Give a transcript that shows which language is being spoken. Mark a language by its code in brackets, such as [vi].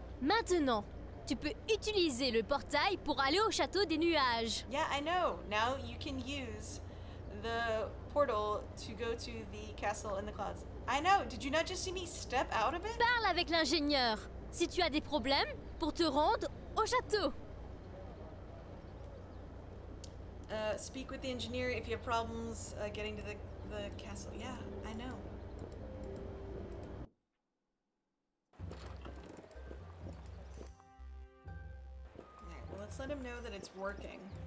[fr] Maintenant, tu peux utiliser le portail pour aller au château des nuages. [en] Yeah, I know. Now you can use the portal to go to the castle in the clouds. I know. Did you not just see me step out of it? [fr] Parle avec l'ingénieur si tu as des problèmes pour te rendre au château. [en] Speak with the engineer if you have problems getting to the castle. Yeah, I know. All right, well, let's let him know that it's working.